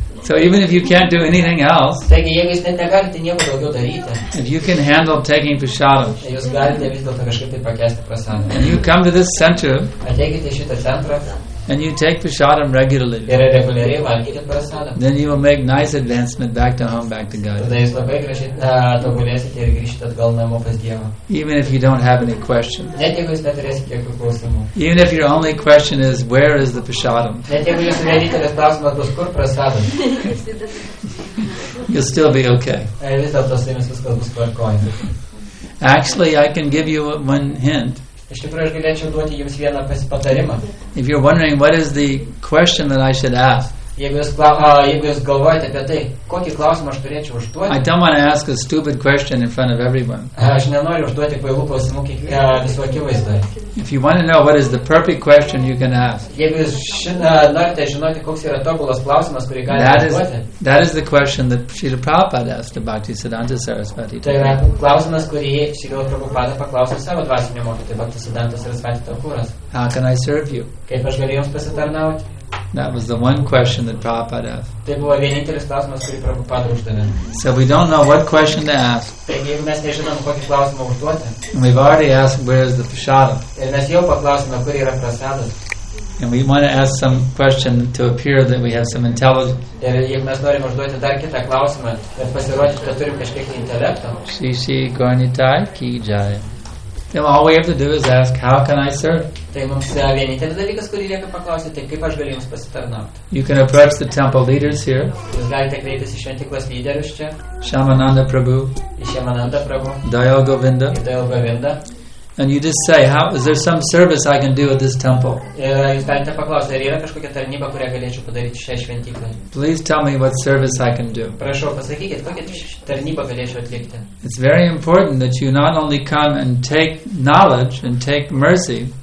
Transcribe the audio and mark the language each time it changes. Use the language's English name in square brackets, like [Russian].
[English] So even if you can't do anything else, [Lithuanian] taigi, jeigu jūs net negalite nieko daugiau daryti, [English] if you can handle taking prasadam, [Lithuanian] jūs galite vis dėlto kažkaip tai pakęsti prasadą. [English] And you come to this center, [Lithuanian] ateikite į šitą centrą, [English] and you take prasadam regularly, [Lithuanian] ir reguliariai valgyti prasadam, [English] then you will make nice advancement back to home, back to God. [Lithuanian] Tada jūs labai gražiai tobulėsite ir grįžite atgal namo pas Dievą. [English] Even if you don't have any questions, [Lithuanian] net jeigu jūs neturėsite jokių klausimų. [English] Even if your only question is, where is the prasadam? [Lithuanian] Net jeigu jūsų vienintelis klausimas bus, kur prasadam? [English] You'll still be okay. [Lithuanian] Vis dėlto su jumis viskas bus tvarkoj. [English] Actually, I can give you one hint. [Lithuanian] Iš tikrųjų, aš galėčiau duoti jums vieną patarimą. [English] If you're wondering what is the question that I should ask, [Lithuanian] jeigu jūs galvojate apie tai, kokį klausimą aš turėčiau užduoti, [English] I don't want to ask a stupid question in front of everyone. [Lithuanian] Aš nenoriu užduoti kvailų klausimų visų akivaizdoje. [English] If you want to know what is the perfect question you can ask, [Lithuanian] jeigu jūs norite žinoti, koks yra tobulas klausimas, kurį galite užduoti, [English] that is the question that Srila Prabhupada asked Bhaktisiddhanta Sarasvati. [Lithuanian] Tai yra klausimas, kurį Srila Prabhupada paklausė savo dvasinio mokytojo Bhaktisiddhanta Sarasvati Thakuras. [English] How can I serve you? [Lithuanian] Kaip aš galiu jums pasitarnauti? [English] That was the one question that Prabhupada asked. [Lithuanian] Tai buvo vienintelis klausimas, kurį Prabhupada uždavė. [English] So we don't know what question to ask. [Lithuanian] Taigi, mes nežinom, kokį klausimą užduoti. [English] And we've already asked, where is the prasadam? [Lithuanian] Ir mes jau paklausime, kur yra prasadas. [English] And we want to ask some question to appear that we have some intelligence. [Lithuanian] Ir jeigu mes norim užduoti dar kitą klausimą, kad pasirodyt, kad turim kažkiek intelektą. Sisi garnitai ki jai. [English] Then all we have to do is ask, how can I serve? [Lithuanian] Tai mums vienintelis dalykas, kurį reikia paklausyti, tai kaip aš galiu jums pasitarnauti. [English] You can approach the temple leaders here. [Lithuanian] Jūs galite kreiptis į šventyklos lyderius čia. [English] Shamananda Prabhu. [Lithuanian] Shamananda Prabhu. [English] Dayal Govinda. [Lithuanian] Dayal Govinda. [English] And you just say, how is there some service I can do at this temple? Please tell me what service I can do. It's very important that you not only come and take knowledge and take mercy,